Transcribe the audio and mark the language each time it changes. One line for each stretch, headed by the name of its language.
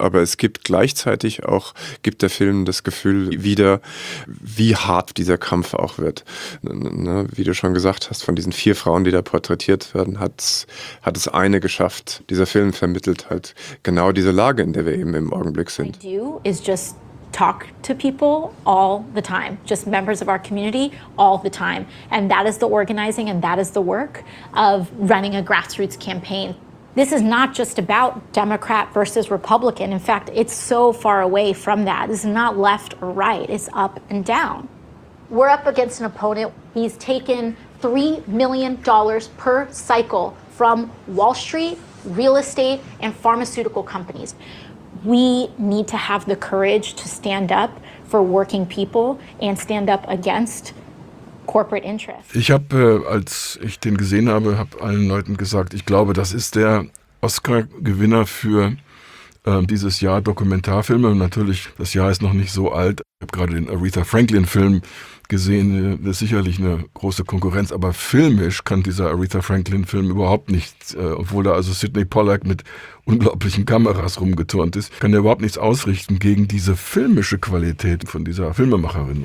German: Aber es gibt gleichzeitig auch, gibt der Film das Gefühl wieder, wie hart dieser Kampf auch wird. Wie du schon gesagt hast, von diesen vier Frauen, die da porträtiert werden, hat es eine geschafft. Dieser Film vermittelt halt genau diese Lage, in der wir eben im Augenblick sind.
English: Talk to people all the time, just members of our community all the time. And that is the organizing and that is the work of running a grassroots campaign. This is not just about Democrat versus Republican. In fact, it's so far away from that. This is not left or right, it's up and down. We're up against an opponent. He's taken $3 million per cycle from Wall Street, real estate, and pharmaceutical companies. We need to have the courage to stand up for working people and stand up against corporate interests.
German: Ich habe, als ich den gesehen habe, habe allen Leuten gesagt, ich glaube, das ist der Oscar-Gewinner für dieses Jahr Dokumentarfilme. Und natürlich, das Jahr ist noch nicht so alt. Ich habe gerade den Aretha Franklin-Film gesehen, das ist sicherlich eine große Konkurrenz, aber filmisch kann dieser Aretha Franklin-Film überhaupt nichts, obwohl da also Sidney Pollack mit unglaublichen Kameras rumgeturnt ist, kann er überhaupt nichts ausrichten gegen diese filmische Qualität von dieser Filmemacherin.